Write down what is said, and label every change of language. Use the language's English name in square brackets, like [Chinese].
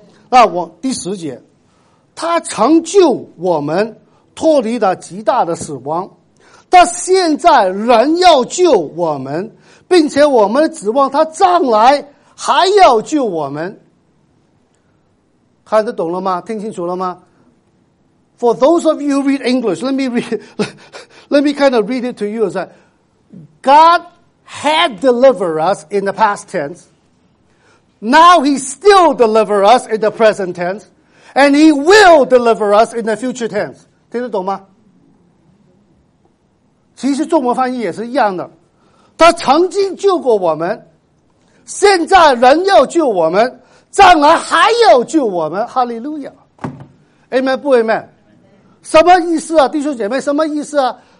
[Chinese] 那我第十节，他成就我们脱离了极大的死亡，但现在人要救我们。并且我们指望他将来还要救我们，看得懂了吗？听清楚了吗 ？ [English] For those of you who read English, let me kind of read it to you. Is that God had delivered us in the past tense. Now He still deliver us in the present tense, and He will deliver us in the future tense. [Chinese] 听得懂吗？其实中文翻译也是一样的。他曾经救过我们，现在人要救我们，将来还要救我们，哈利路亚 ，Amen 不 Amen？什么意思啊，弟兄姐妹？什么意思啊？